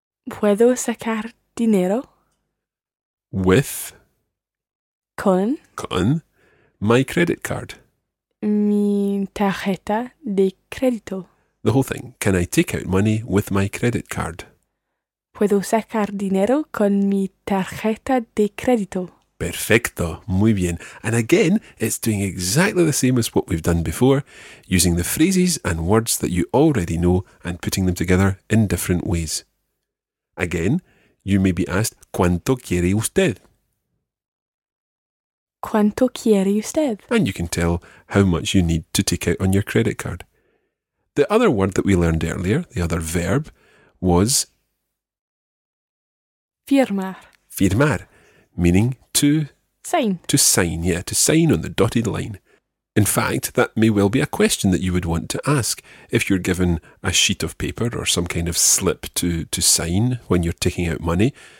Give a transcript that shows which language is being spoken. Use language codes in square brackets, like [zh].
[es] Puedo sacar dinero. [en] With? [es] Con. [en] Con. My credit card. [es] Mi tarjeta de crédito. [en] The whole thing. Can I take out money with my credit card? [es] Puedo sacar dinero con mi tarjeta de crédito. Perfecto. Muy bien. [en] And again, it's doing exactly the same as what we've done before, using the phrases and words that you already know and putting them together in different ways. Again, you may be asked, [es] ¿cuánto quiere usted? ¿Cuánto quiere usted? [en] And you can tell how much you need to take out on your credit card. The other word that we learned earlier, the other verb, was [es] firmar. [en] Firmar, meaning to sign. To sign, yeah, to sign on the dotted line. In fact, that may well be a question that you would want to ask if you're given a sheet of paper or some kind of slip to sign when you're taking out money.